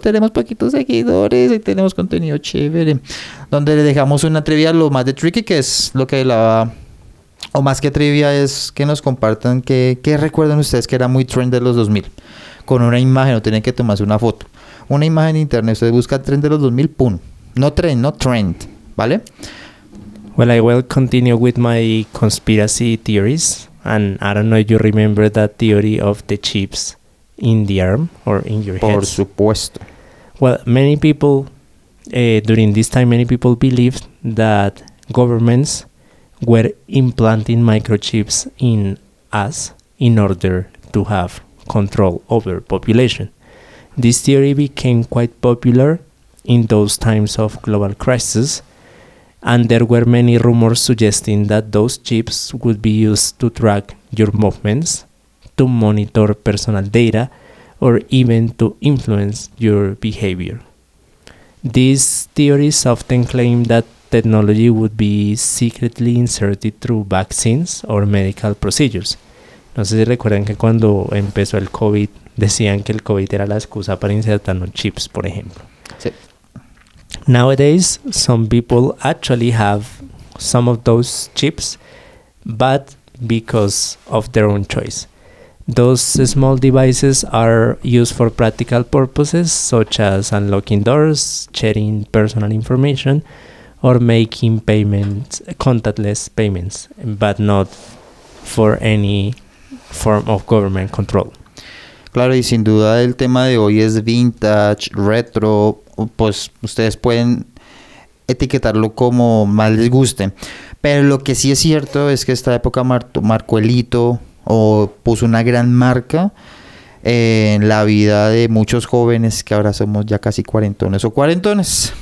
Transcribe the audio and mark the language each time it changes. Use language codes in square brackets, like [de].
[es] Tenemos poquitos seguidores y tenemos contenido chévere, donde le dejamos una trivia, lo más de tricky, que es lo que la... O más que trivia, es que nos compartan qué recuerdan ustedes que era muy trend de los 2000. Con una imagen, no tienen que tomarse una foto. Una imagen en internet, ustedes buscan trend de los 2000, ¡pum! No trend, ¿vale? [en] Well, I will continue with my conspiracy theories. And I don't know if you remember that theory of the chips in the arm or in your head. [es] Por supuesto. [en] Well, many people, during this time, many people believed that governments were implanting microchips in us in order to have control over population. This theory became quite popular in those times of global crisis, and there were many rumors suggesting that those chips would be used to track your movements, to monitor personal data, or even to influence your behavior. These theories often claim that technology would be secretly inserted through vaccines or medical procedures. [es] No sé si recuerdan que cuando empezó el COVID, decían que el COVID era la excusa para insertar los chips, por ejemplo. Sí. [en] Nowadays, some people actually have some of those chips, but because of their own choice. Those small devices are used for practical purposes, such as unlocking doors, sharing personal information, or making payments, contactless payments, but not for any form of government control. [es] Claro, y sin duda el tema de hoy es vintage, retro, pues ustedes pueden etiquetarlo como más les guste. Pero lo que sí es cierto es que esta época marcó el hito o puso una gran marca en la vida de muchos jóvenes, que ahora somos ya casi cuarentones o cuarentones.